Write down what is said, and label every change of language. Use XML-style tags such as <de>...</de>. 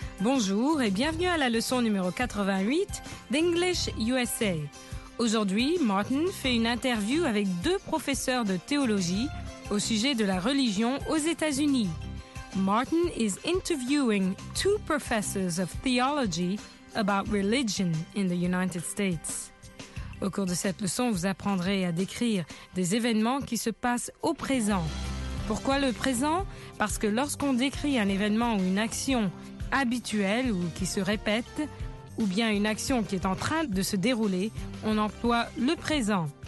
<fr>Bonjour et bienvenue à la leçon numéro 88 d'English USA. Aujourd'hui, Martin fait une interview avec deux professeurs de théologie au sujet de la religion aux États-Unis.</fr> <en>Martin is interviewing two professors of theology about religion in the United States.</en> <fr>Au cours de cette leçon, vous apprendrez à décrire des événements qui se passent au présent. Pourquoi le présent? Parce que lorsqu'on décrit un événement ou une action habituelle ou qui se répète, ou bien une action qui est en train de se dérouler, on emploie le présent.</fr>